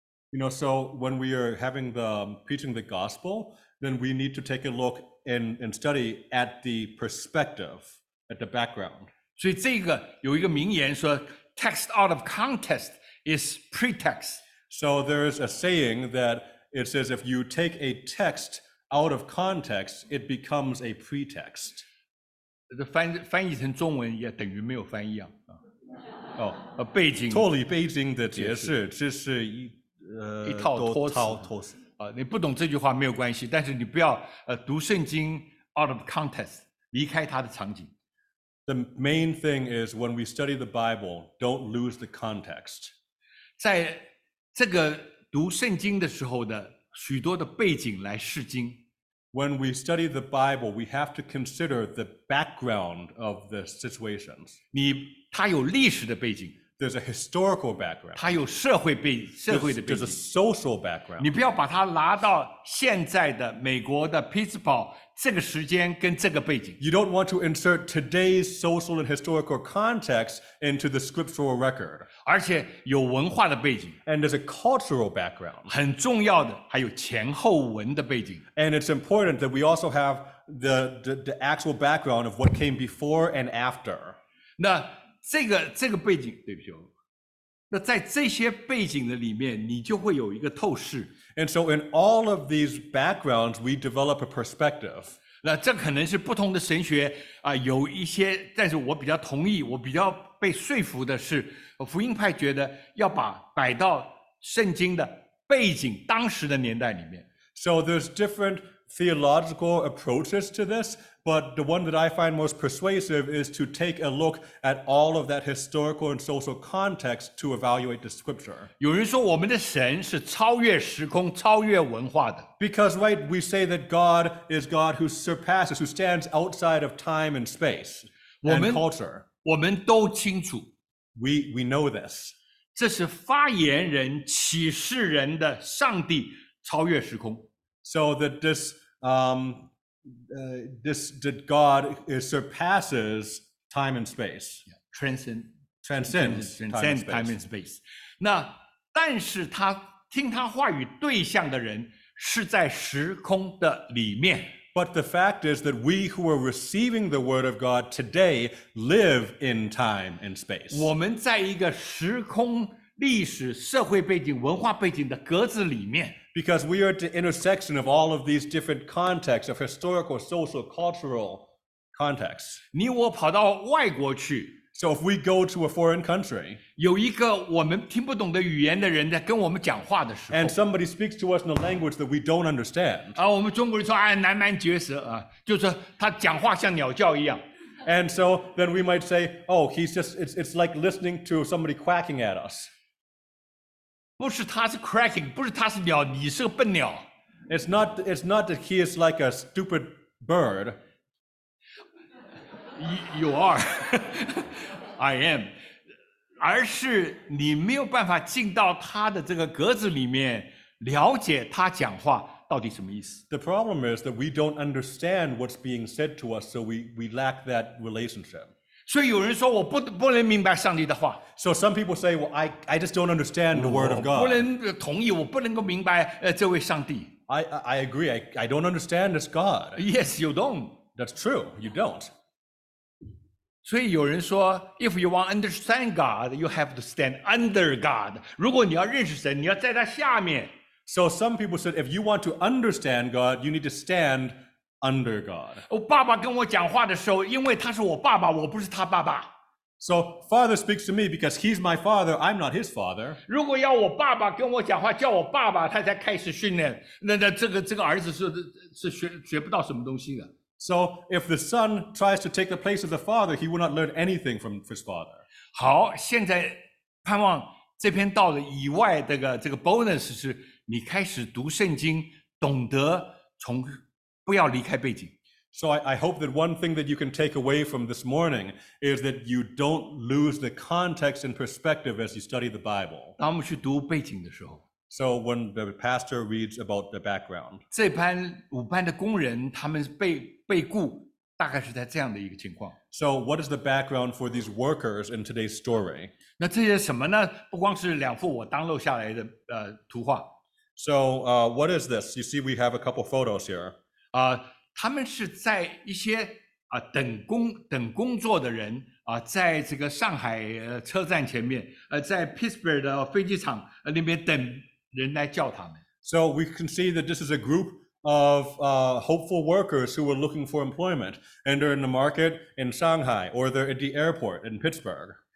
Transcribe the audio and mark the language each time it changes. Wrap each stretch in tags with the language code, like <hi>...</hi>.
<en>You know, so when we are having the preaching the gospel, then we need to take a look and study at the perspective, at the background.</en> <zh>所以这个有一个名言说</zh> <en>text out of context is pretext. So there is a saying that it says if you take a text out of context, it becomes a pretext.</en> <zh>翻译成中文也等于没有翻译啊。哦，背景脱离背景的解释，这是一套托词啊。你不懂这句话没有关系，但是你不要读圣经</zh> <en>out of context，</en> <zh>离开它的场景。</zh> <en>The main thing is when we study the Bible, don't lose the context.</en> <zh>在这个读圣经的时候的许多的背景来释经。</zh> <en>When we study the Bible, we have to consider the background of the situations.</en> <zh>它有历史的背景。</zh> <en>There's a historical background.</en> <zh>它有社会的背景。</zh> <en>There's a social background.</en> <zh>你不要把它拿到现在的美国的 Pittsburgh 这个时间跟这个背景。</zh> <en>You don't want to insert today's social and historical context into the scriptural record.</en> <zh>而且有文化的背景。</zh> <en>And there's a cultural background.</en> <zh>很重要的还有前后文的背景。</zh> <en>And it's important that we also have the actual background of what came before and after.</en> <zh>那这个背景，对不起，那在这些背景的里面，你就会有一个透视。</zh> <en>And so in all of these backgrounds, we develop a perspective.</en> <zh>那这可能是不同的神学有一些，但是我比较同意，我比较被说服的是，福音派觉得要把摆到圣经的背景，当时的年代里面。</zh> <en>So there's different theological approaches to this. But the one that I find most persuasive is to take a look at all of that historical and social context to evaluate the scripture.</en> <zh>有人说我们的神是超越时空、超越文化的。</zh> <en>Because right, we say that God is God who surpasses, who stands outside of time and space and culture.</en> <zh>我们都清楚。</zh> <en>We know this.</en> <zh>这是发言人、启示人的上帝超越时空。</zh> <en>So that this, this that God surpasses time and space, transcends time and space.</en> <zh>那但是他听他话语对象的人是在时空的里面。</zh> <en>But the fact is that we who are receiving the word of God today live in time and space.</en> <zh>我们在一个时空、历史、社会背景、文化背景的格子里面。</zh> <en>Because we are at the intersection of all of these different contexts of historical, social, cultural contexts.</en> <zh>你我跑到外国去。</zh> <en>So if we go to a foreign country,</en> <zh>有一个我们听不懂的语言的人在跟我们讲话的时候。</zh> <en>And somebody speaks to us in a language that we don't understand.</en> <zh>我们中国人说南蛮绝舌就是他讲话像鸟叫一样。</zh> <en>And so then we might say, oh, he's just, it's like listening to somebody quacking at us.</en> <zh>不是他是 cracking, 不是他是鸟，你是个笨鸟。</zh> <en>It's not that he is like a stupid bird. You are. I am.</en> <zh>而是你没有办法进到他的这个格子里面了解他讲话到底什么意思。</zh> <en>The problem is that we don't understand what's being said to us, so we lack that relationship.</en> <zh>所以有人说我不能明白上帝的话。</zh> <en>So some people say, well, I just don't understand the word of God.</en> <zh>我不能同意，我不能够明白这位上帝。</zh> <en>I agree. I don't understand this God. Yes, you don't. That's true. You don't.</en> <zh>所以有人说</zh> <en>if you want to understand God, you have to stand under God.</en> <zh>如果你要认识神，你要在他下面。</zh> <en>So some people said, if you want to understand God, you need to stand under God.</en> <zh>我爸爸跟我讲话的时候，因为他是我爸爸，我不是他爸爸。</zh> <en>So father speaks to me because he's my father, I'm not his father.</en> <zh>如果要我爸爸跟我讲话叫我爸爸他才开始训练那这个儿子 是 学不到什么东西的。</zh> <en>So if the son tries to take the place of the father, he will not learn anything from his father.</en> <zh>好现在盼望这篇道的以外的这个 bonus 是你开始读圣经懂得从不要离开背景。</zh> <en>So I hope that one thing that you can take away from this morning is that you don't lose the context and perspective as you study the Bible.</en> <zh>当我们去读背景的时候。</zh> <en>So when the pastor reads about the background.</en> <zh>这班五班的工人他们被雇大概是在这样的一个情况。</zh> <en>So what is the background for these workers in today's story?</en> <zh>那这些什么呢不光是两幅我当漏下来的图画。</zh> <en>So what is this? You see we have a couple photos here.</en> <zh>他们是在一些等工作的人在这个上海车站前面在 Pittsburgh 的飞机场那边等人来叫他们。</zh> <en>So we can see that this is a group of hopeful workers who were looking for employment and they're in the market in Shanghai or they're at the airport in Pittsburgh.</en>